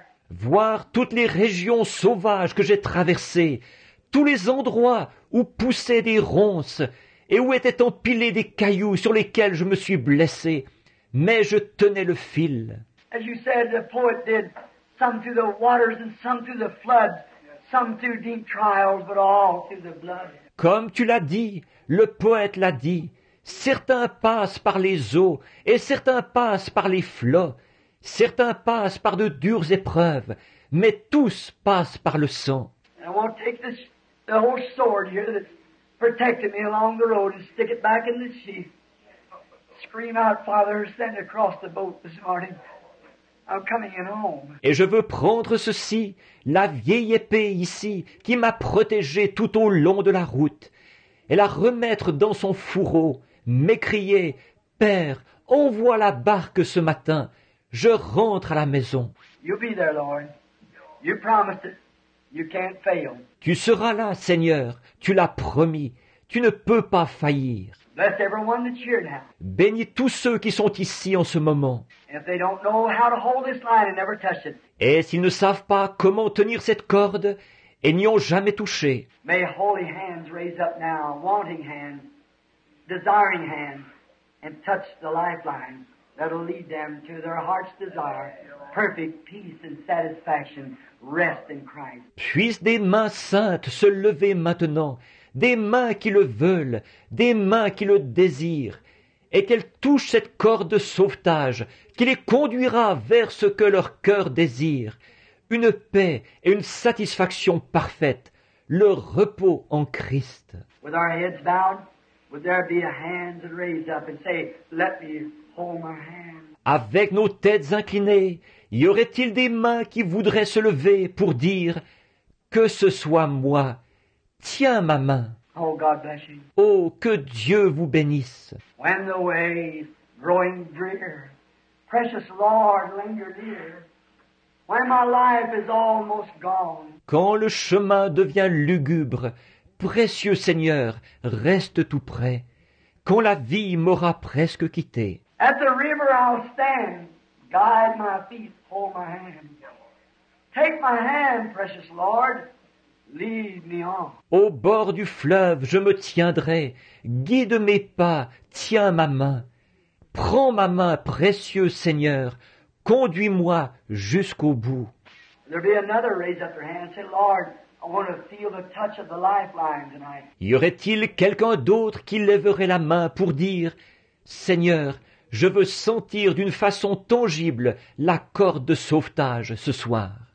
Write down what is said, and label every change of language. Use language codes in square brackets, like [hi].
[fr] Voir toutes les régions sauvages que j'ai traversées, tous les endroits où poussaient des ronces et où étaient empilés des cailloux sur lesquels je me suis blessé. Mais je tenais le fil. [en] As you said, the poet did, some through the waters and some through the floods, some through deep trials, but all through the blood. [fr] Comme tu l'as dit, le poète l'a dit, Certains passent par les eaux et certains passent par les flots. Certains passent par de dures épreuves, mais tous passent par le sang. [en] I want to take this, the whole sword here that's protected me along the road and stick it back in the sheath. Scream out, Father, send across the boat this morning. I'm coming in home. [fr] Et je veux prendre ceci, la vieille épée ici qui m'a protégé tout au long de la route, et la remettre dans son fourreau, m'écrier, Père, envoie la barque ce matin. Je rentre à la maison. [en] You'll be there, Lord. You promised it. You can't fail. [fr] Tu seras là, Seigneur. Tu l'as promis. Tu ne peux pas faillir. [en] Bless everyone that's here now. [fr] Bénis tous ceux qui sont ici en ce moment. [en] If they don't know how to hold this line and never touch it. [fr] Et s'ils ne savent pas comment tenir cette corde et n'y ont jamais touché. [en] May holy hands raise up now, wanting hands, desiring hands, and touch the lifeline. That'll lead them to their heart's desire, perfect peace and satisfaction, rest in Christ. [fr] Puissent des mains saintes se lever maintenant, des mains qui le veulent, des mains qui le désirent, et qu'elles touchent cette corde de sauvetage qui les conduira vers ce que leur cœur désire, une paix et une satisfaction parfaite, le repos en Christ. [en] With our heads bowed, would there be a hand raised up and say, let me... [fr] Avec nos têtes inclinées, y aurait-il des mains qui voudraient se lever pour dire « Que ce soit moi, tiens ma main. » [en] Oh, God bless you. [fr] Oh, que Dieu vous bénisse. [en] When the way growing drear, precious Lord, linger near, when my life is almost gone. [fr] Quand le chemin devient lugubre, précieux Seigneur, reste tout près, quand la vie m'aura presque quitté. [en] At the river I'll stand, guide my feet, hold my hand. Take my hand, precious Lord, lead me on. [fr] Au bord du fleuve, je me tiendrai, guide mes pas, tiens ma main. Prends ma main, précieux Seigneur, conduis-moi jusqu'au bout. [en] There'll be another raise up your hand, say, Lord, I want to feel the touch of the lifeline tonight. [fr] Y aurait-il quelqu'un d'autre qui lèverait la main pour dire, Seigneur, je veux sentir d'une façon tangible la corde de sauvetage ce soir.